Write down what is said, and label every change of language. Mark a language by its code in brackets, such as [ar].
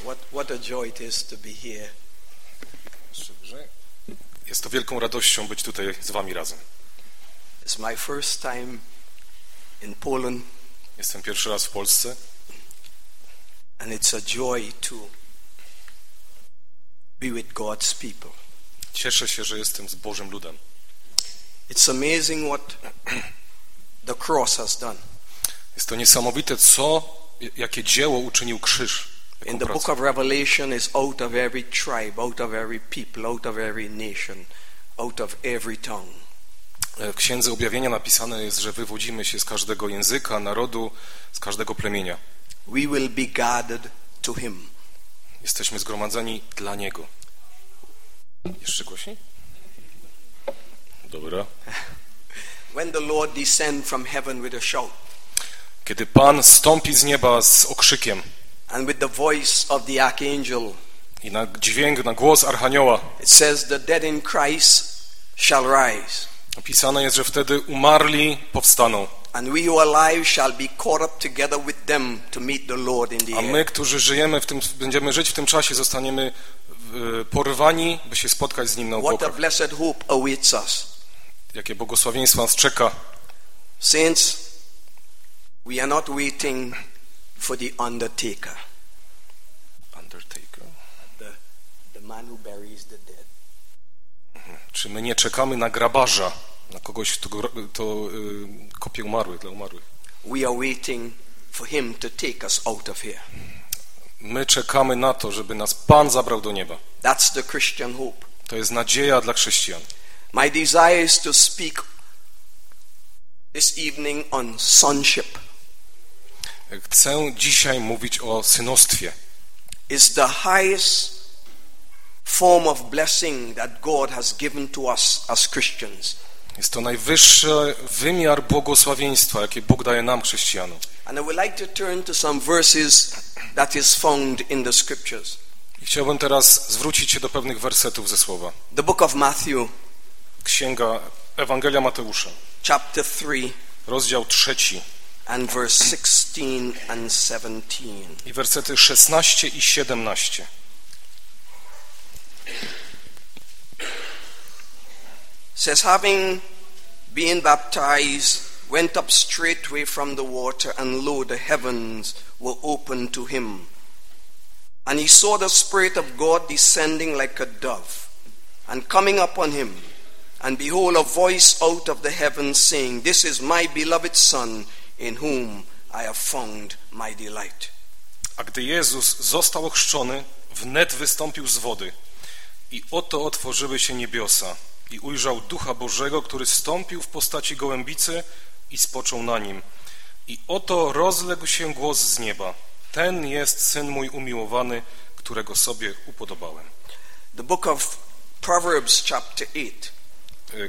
[en] What a joy it is to be here. [pl] Jest to wielką radością być tutaj z wami razem. [en] It's my first time in Poland. [pl] Jestem pierwszy raz w Polsce. [en] And it's a joy to be with God's people. [pl] Cieszę się, że jestem z Bożym ludem. [en] It's amazing what the cross has done. [pl] Jest to niesamowite, co, jakie dzieło uczynił krzyż. [en] In the book of Revelation is out of every tribe, out of every people, out of every nation, out of every tongue. [pl] W Księdze Objawienia napisane jest, że wywodzimy się z każdego języka, narodu, z każdego plemienia. [en] We will be gathered to him. [pl] Jesteśmy zgromadzeni dla niego. Jeszcze głośniej? Dobra. [en] When the Lord descend from heaven with a shout. [pl] Kiedy Pan stąpi z nieba z okrzykiem. [en] And with the voice of the archangel. [pl] I na dźwięk, na głos archanioła. [en] It says the dead in Christ shall rise. [pl] Napisane jest, że wtedy umarli powstaną. [en] And we who are alive shall be caught up together with them to meet the Lord in the air. [pl] A my, którzy żyjemy w tym, będziemy żyć w tym czasie, zostaniemy porwani, by się spotkać z nim na obłokach. [en] What a blessed hope awaits us. [pl] Jakie błogosławieństwo nas czeka. [en] Saints, we are not waiting for the undertaker. Undertaker? The man who buries the dead. [pl] Czy my nie czekamy na grabarza, na kogoś, kto kopie umarłych, dla umarłych? [en] We are waiting for him to take us out of here. [pl] My czekamy na to, żeby nas Pan zabrał do nieba. [en] That's the Christian hope. [pl] To jest nadzieja dla chrześcijan. [en] My desire is to speak this evening on sonship. [pl] Chcę dzisiaj mówić o synostwie. [en] It's the highest form of blessing that God has given to us as Christians. [pl] Jest to najwyższy wymiar błogosławieństwa, jaki Bóg daje nam, chrześcijanom. [en] And I would like to turn to some verses that is found in the scriptures. [pl] I chciałbym teraz zwrócić się do pewnych wersetów ze słowa. [en] The book of Matthew. [pl] Księga Ewangelia Mateusza. [en] Chapter 3. [pl] Rozdział 3. [en] And verse 16 and 17. [pl] I wersety 16 i 17. [en] Says, having been baptized, went up straightway from the water, and lo, the heavens were opened to him. And he saw the Spirit of God descending like a dove, and coming upon him. And behold, a voice out of the heavens saying, this is my beloved Son, in whom I have found my delight. [pl] A gdy Jezus został ochrzczony, wnet wystąpił z wody, i oto otworzyły się niebiosa. I ujrzał Ducha Bożego, który stąpił w postaci gołębicy i spoczął na nim. I oto rozległ się głos z nieba. Ten jest Syn mój umiłowany, którego sobie upodobałem. [en] The book of Proverbs, chapter 8.